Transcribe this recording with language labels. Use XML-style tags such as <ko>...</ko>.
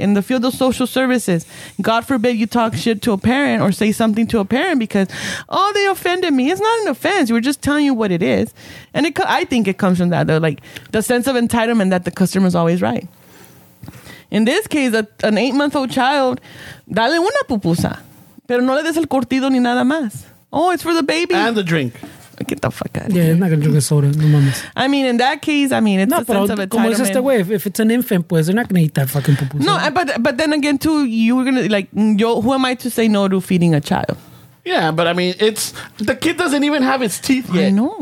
<en>In the field of social services, God forbid you talk shit to a parent or say something to a parent because, oh, they offended me. It's not an offense. We're just telling you what it is. And I think it comes from that, though, like the sense of entitlement that the customer's always right. In this case, an 8-month-old child,</en> <es>dale una pupusa. Pero no le des el curtido ni nada más.</es> <en>Oh, it's for the baby. And the drink. Get the fuck out of here. Yeah, I'm not going to drink a soda.</en> <es>No mames.</es> <en>I mean, in that case, I mean, it's a sense of entitlement.</en> <es>Como es este güey,</es> <en>if it's an infant, pues, they're not going to eat that fucking pupusa. No, but then again, too, you were going to, like, yo, who am I to say no to feeding a child? Yeah, but I mean, it's, the kid doesn't even have his teeth yet.</en>